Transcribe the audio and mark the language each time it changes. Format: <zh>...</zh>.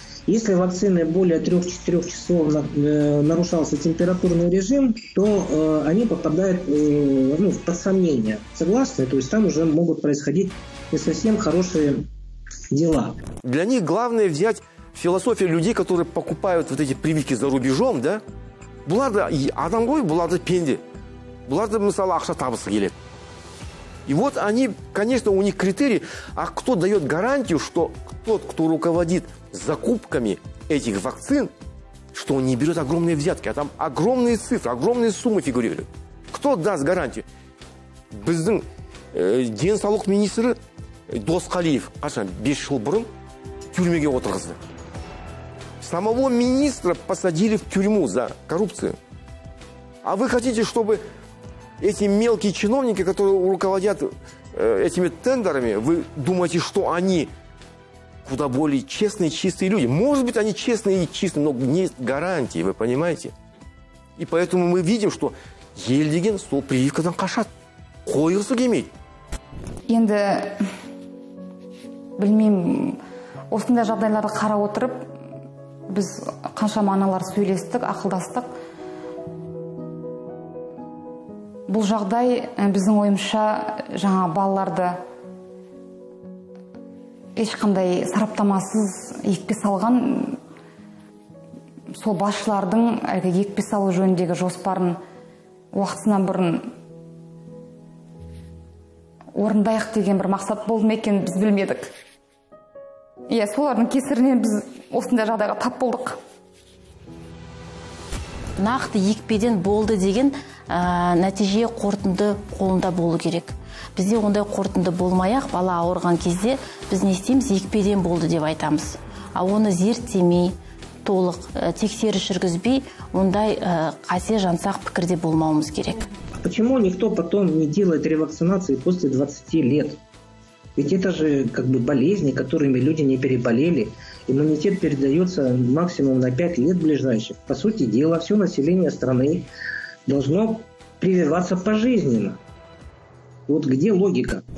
<ru>Если вакцины более 3-4 часов нарушался температурный режим, то они попадают под сомнение. Согласны? То есть там уже могут происходить не совсем хорошие дела. Для них главное взять философию людей, которые покупают вот эти прививки за рубежом, да?</ru> <kk>Бұларды адам ғой, бұларды пенде. Бұларды, мысалы, ақша табысы келеді.</kk> <ru>И вот они, конечно, у них критерии, а кто дает гарантию, что тот, кто руководит закупками этих вакцин, что он не берет огромные взятки, а там огромные цифры, огромные суммы фигурируют. Кто даст гарантию?</ru> <kk>Біздің денсаулық министрі Досқалиев, қашан, 5 жыл бұрын тюрьмеге отырғызды.</kk> <ru>Самого министра посадили в тюрьму за коррупцию. А вы хотите, чтобы эти мелкие чиновники, которые руководят этими тендерами, вы думаете, что они куда более честные, чистые люди? Может быть, они честные и чистые, но нет гарантии, вы понимаете? И поэтому мы видим, что</ru> <kk>Елдеген сол прививкадан қашат. Қойғысы келмейді. Енді, білмеймін, осында жағдайларды қара отырып, біз қанша маналар сөйлестік, ақылдастық. Бұл жағдай біздің ойымша жаңа балаларды ешқандай сараптамасыз екпе салған сол басшылардың әлгі екпе салу жөніндегі жоспарын уақытынан бұрын орындайық деген бір мақсат болды ма екен, біз білмедік. Иә, солардың кесірінен біз осындай жағдайға тап болдық. Нақты екпеден болды деген нәтиже қорытынды қолында болу керек. Бізде ондай қорытынды болмай-ақ, бала ауырған кезде біз не істейміз, екпеден болды деп айтамыз. А оны зерттемей, толық тексеріс жүргізбей, ондай қате жансақ пікірде болмауымыз керек.</kk> <ru>Почему никто потом не делает ревакцинации после 20 лет? Ведь это же как бы болезни, которыми люди не переболели. Иммунитет передается максимум на 5 лет ближайших. По сути дела, все население страны должно прививаться пожизненно. Вот где логика?</ru>